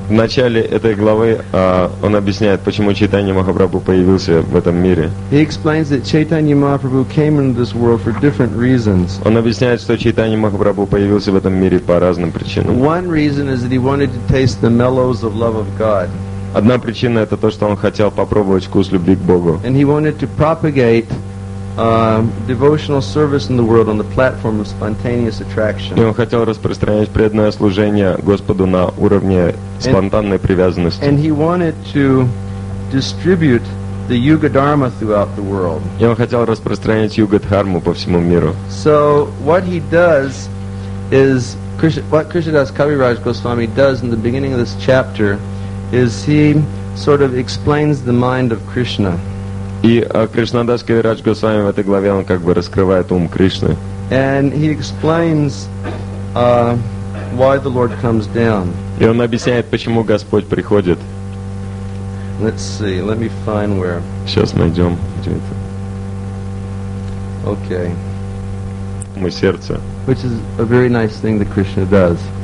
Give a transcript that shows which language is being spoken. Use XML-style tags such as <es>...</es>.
<ru>В начале этой главы он объясняет, почему Чайтанья Махапрабху появился в этом мире.</ru> <en>He explains that Chaitanya Mahaprabhu came into this world for different reasons.</en> <ru>Он объясняет, что Чайтанья Махапрабху появился в этом мире по разным причинам.</ru> <en>One reason is that he wanted to taste the mellows of love of God.</en> <ru>Одна причина это то, что он хотел попробовать вкус любви к Богу.</ru> <en>And he wanted to propagate devotional service in the world on the platform of spontaneous attraction.</en> <ru>И он хотел распространять преданное служение Господу на уровне спонтанной привязанности.</ru> <en>And he wanted to distribute the Yuga Dharma throughout the world.</en> <ru>И он хотел распространять Юга Дхарму по всему миру.</ru> <en>So what he does is what Krishnadas Kaviraj Goswami does in the beginning of this chapter is he sort of explains the mind of Krishna.</en> <ru>И Кришнадас Кавирадж Госвами в этой главе он как бы раскрывает ум Кришны.</ru> <en>And he explains why the Lord comes down.</en> <ru>И он объясняет, почему Господь приходит.</ru> <en>Let's see, let me find where.</en> <ru>Сейчас найдем, где это.</ru> <en>Okay.</en> <ru>Мы сердце.</ru> <en>Which is a very nice thing that Krishna does.</en>